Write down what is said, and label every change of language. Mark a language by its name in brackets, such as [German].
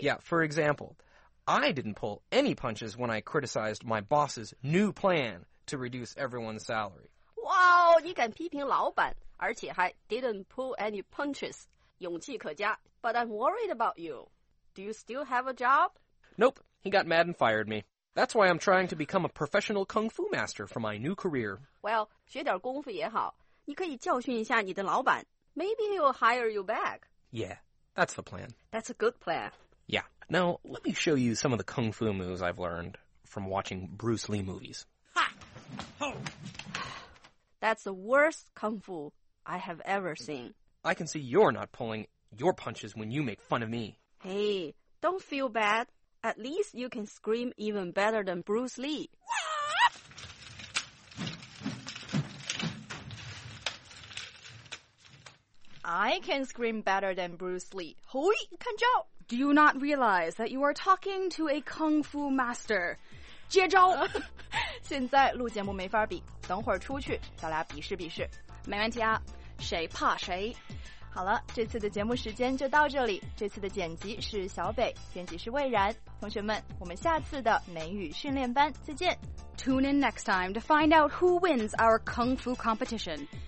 [English] Yeah, for example... I didn't pull any punches when I criticized my boss's new plan to reduce everyone's salary. [Chinese] Wow, 你敢批评老板，而且还 [English] didn't pull any punches. [Chinese] 勇气可嘉 [English] but I'm worried about you. Do you still have a job? Nope, he got mad and fired me. That's why I'm trying to become a professional kung fu master for my new career. Well, [Chinese] 学点功夫也好，你可以教训一下你的老板。 [English] Maybe he'll hire you back. Yeah, that's the plan. That's a good plan. Yeah. Now, let me show you some of the kung fu moves I've learned from watching Bruce Lee movies. Ha! Ho! That's the worst kung fu I have ever seen. I can see you're not pulling your punches when you make fun of me. Hey, don't feel bad. At least you can scream even better than Bruce Lee. I can scream better than Bruce Lee. Hoi, kanjo! Do you not realize that you are talking to a kung fu master? [Chinese] 接招！现在录节目没法比，等会儿出去咱俩比试比试，没问题啊，谁怕谁？好了，这次的节目时间就到这里。这次的剪辑是小北，编辑是魏然。同学们，我们下次的美语训练班再见。 [English] Tune in next time to find out who wins our kung fu competition.